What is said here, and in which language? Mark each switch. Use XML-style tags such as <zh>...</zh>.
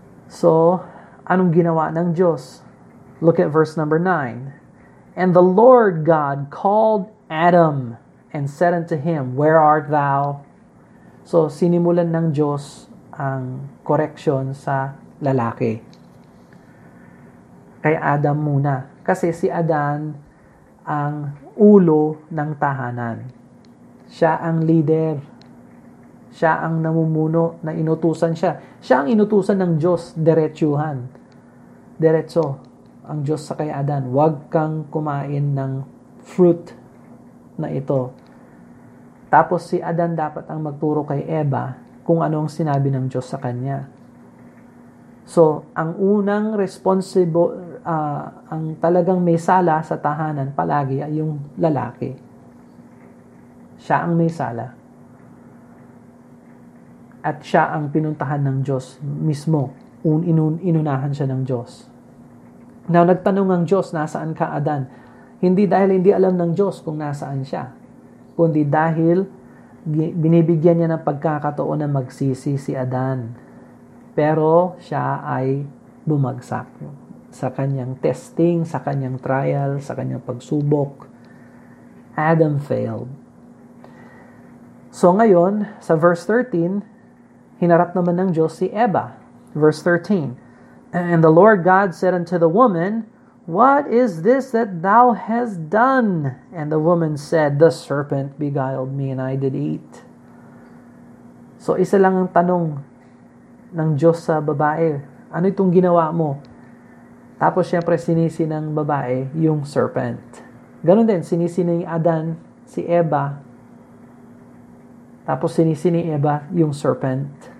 <tl>So, anong ginawa ng Diyos?</tl> <en>Look at verse number 9. And the Lord God called Adam and said unto him, Where art thou?</en> <tl>So, sinimulan ng Diyos ang correction sa lalaki. Kay Adam muna. Kasi si Adan ang ulo ng tahanan. Siya ang leader. Siya ang namumuno na inutusan siya. Siya ang inutusan ng Diyos, diretsuhan. Diretso ang Diyos sa kay Adan. Huwag kang kumain ng fruit na ito. Tapos si Adan dapat ang magturo kay Eva kung ano ang sinabi ng Diyos sa kanya. So, ang unang responsible, ang talagang may sala sa tahanan palagi ay yung lalaki. Siya ang may sala. At siya ang pinuntahan ng Diyos mismo. Inunahan siya ng Diyos. Now, nagtanong ang Diyos, nasaan ka, Adan? Hindi dahil hindi alam ng Diyos kung nasaan siya, kundi dahil binibigyan niya ng pagkakataon na magsisi si Adan. Pero siya ay bumagsak sa kanyang testing, sa kanyang trial, sa kanyang pagsubok. Adam failed. So ngayon, sa verse 13, hinarap naman ng Diyos si Eva.</tl> <en>Verse 13, And the Lord God said unto the woman, What is this that thou hast done? And the woman said, The serpent beguiled me, and I did eat.</en> <tl>So isa lang ang tanong ng Diyos sa babae. Ano itong ginawa mo? Tapos syempre sinisi ng babae yung serpent. Ganun din, sinisi ni Adan si Eva. Tapos sinisi ni Eva yung serpent.</tl>